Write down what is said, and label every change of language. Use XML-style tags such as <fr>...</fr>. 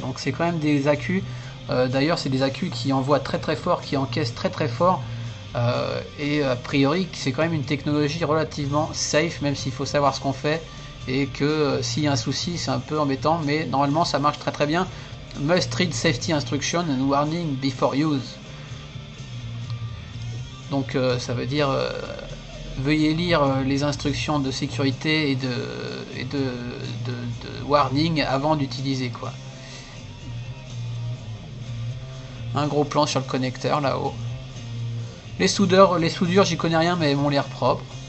<fr>Donc c'est quand même des accus. D'ailleurs c'est des accus qui envoient très très fort, qui encaissent très très fort. Et a priori c'est quand même une technologie relativement safe, même s'il faut savoir ce qu'on fait et que s'il y a un souci c'est un peu embêtant, mais normalement ça marche très très bien.</fr> <en>Must read safety instruction and warning before use.</en> <fr>Donc ça veut dire veuillez lire les instructions de sécurité et de warning avant d'utiliser quoi. un gros plan sur le connecteur là-haut. Les soudures, j'y connais rien, mais elles m'ont l'air propres.</fr>